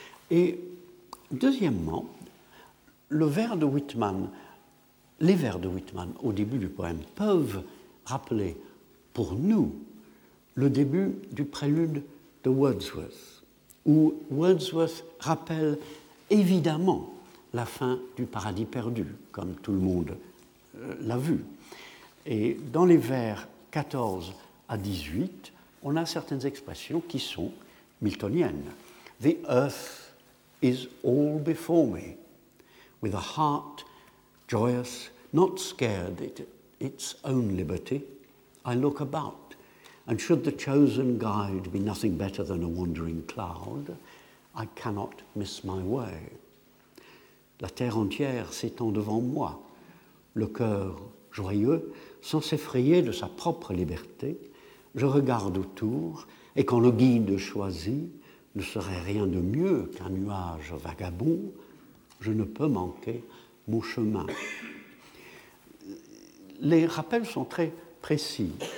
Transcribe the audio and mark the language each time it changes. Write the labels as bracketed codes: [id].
[fr] Et deuxièmement, le vers de Whitman, les vers de Whitman au début du poème peuvent rappeler pour nous le début du prélude de Wordsworth, où Wordsworth rappelle évidemment la fin du paradis perdu, comme tout le monde l'a vu. Et dans les vers 14 à 18, on a certaines expressions qui sont miltoniennes. [en] « The earth is all before me, with a heart joyous, not scared at its own liberty, I look about. And should the chosen guide be nothing better than a wandering cloud, I cannot miss my way. [fr] La terre entière s'étend devant moi, le cœur joyeux, sans s'effrayer de sa propre liberté, je regarde autour, et quand le guide choisi ne serait rien de mieux qu'un nuage vagabond, je ne peux manquer mon chemin. » Les rappels sont très précis.